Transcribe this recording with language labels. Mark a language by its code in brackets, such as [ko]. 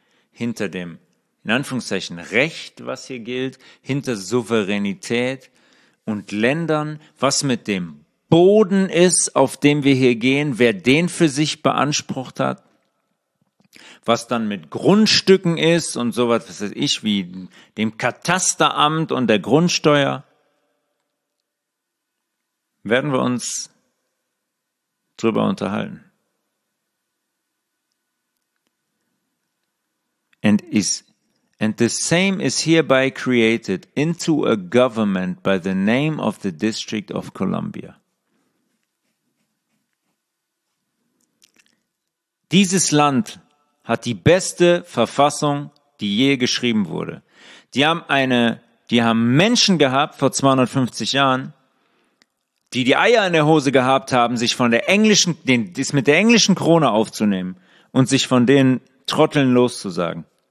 [de] Hinter dem, in Anführungszeichen, Recht, was hier gilt, hinter Souveränität und Ländern, was mit dem Boden ist, auf dem wir hier gehen, wer den für sich beansprucht hat, was dann mit Grundstücken ist und sowas, was weiß ich, wie dem Katasteramt und der Grundsteuer, werden wir uns drüber unterhalten. [en] And the same is hereby created into a government by the name of the District of Columbia. [de] Dieses Land hat die beste Verfassung, die je geschrieben wurde. Die haben Menschen gehabt vor 250 Jahren, die die Eier in der Hose gehabt haben, sich von der englischen, das mit der englischen Krone aufzunehmen und sich von den Trotteln loszusagen.